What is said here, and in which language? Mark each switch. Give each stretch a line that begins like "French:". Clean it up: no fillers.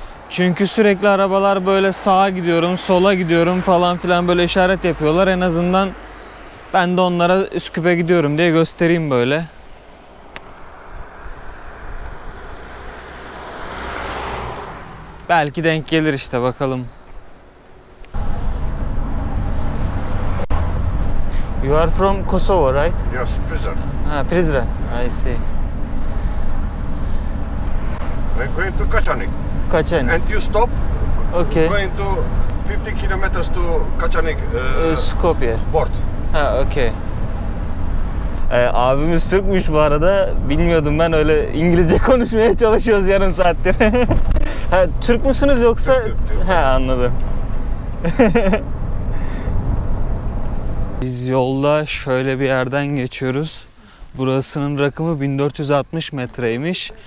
Turkish: Çünkü sürekli arabalar böyle sağa gidiyorum, sola gidiyorum falan filan böyle işaret yapıyorlar. En azından ben de onlara Üsküp'e gidiyorum diye göstereyim böyle. Belki denk gelir işte, bakalım.
English: You are from Kosovo, right? Yes, Prizren. Ha, Prizren. I see. We're going to Kaçanik. Kaçanik. And you stop. Okay. We're going to 50 kilometers to Kaçanik. Skopje. Port. Ha, okay.
Turkish: Abimiz Türkmüş bu arada. Bilmiyordum ben, öyle İngilizce konuşmaya çalışıyoruz yarım saattir. Ha, Türk müsünüz yoksa? Türk. Ha, anladım. Biz yolda şöyle bir yerden geçiyoruz. Burasının rakımı 1460 metreymiş.